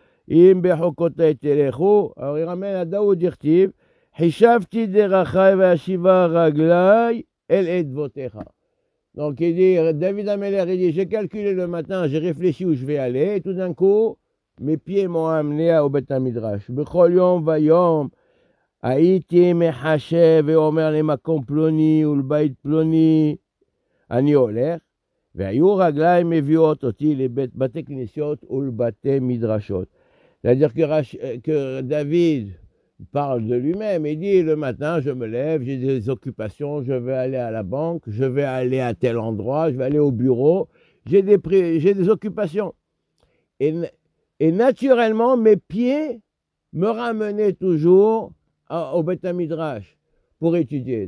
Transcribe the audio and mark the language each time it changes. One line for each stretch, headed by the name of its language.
Hebrew: « Im behokotei telechou
French: ». Alors, il ramène à Daoud Irtib.
Hebrew: « Hishavti derachai vashiva raglai el edvotecha ».
French: Donc, il dit, David Ameler, il dit « J'ai calculé le matin, j'ai réfléchi où je vais aller. Et tout d'un coup, mes pieds m'ont amené au Beit HaMidrash.
Hebrew: « Bechol yom vayom ». הייתי מחשב ואומר למקום פלוני ולבית פלוני, אני הולך, והיו רגליים מביאות אותי לבתי כנסיות ולבתי מדרשות.
French: C'est-à-dire que David parle de lui-même, il dit, le matin, je me lève, j'ai des occupations, je vais aller à la banque, je vais aller à tel endroit, je vais aller au bureau, j'ai des occupations. Et naturellement, mes pieds me ramenaient toujours au Beit HaMidrash pour étudier.